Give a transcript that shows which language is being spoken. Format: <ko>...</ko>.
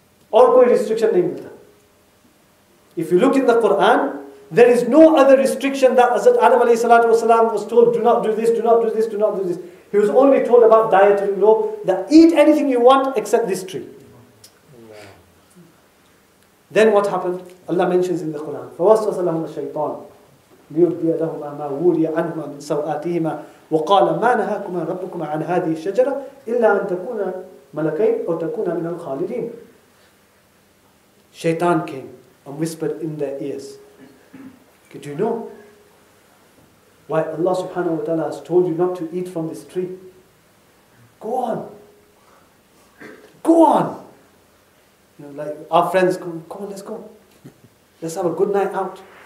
<ur>Or koi restriction nahi milta.</ur> <en>If you look in the Quran, there is no other restriction that Hazrat Adam alayhi salatu wasalam was told, do not do this, do not do this, do not do this. He was only told about dietary law, that eat anything you want except this tree. Then what happened? Allah mentions in the Quran,</en> <ar>فَوَسْوَسَ لَهُمَ الشَّيْطَانُ لِيُبْدِيَ لَهُمَا مَا وُولِيَ عَنْهُمَا مِنْ سَوْآتِهِمَا وقال ما نهاكما ربكما عن هذه الشجرة إلا أن تكونا ملكين أو تكونا من الخالدين.</ar> <en>Shaitan came and whispered in their ears. Could you know why Allah subhanahu wa ta'ala has told you not to eat from this tree? Go on. Go on. You know, like our friends, come on, let's go. Let's have a good night out.</en>